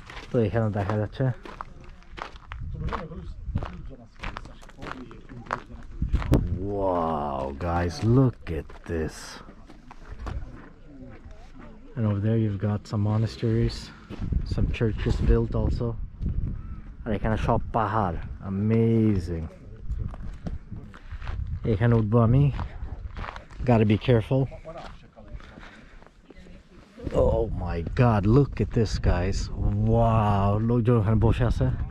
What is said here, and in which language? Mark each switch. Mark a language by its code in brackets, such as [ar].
[bn] তো এখানে দেখা যাচ্ছে [en] Wow guys, look at this. And over there you've got some monasteries, some churches built also. [bn] আর এখানে সব পাহাড়, amazing. এখানে উঠবো আমি, [en] gotta be careful. Oh my god, look at this guys. [bn] Wow, লোকজন এখানে বসে আছে.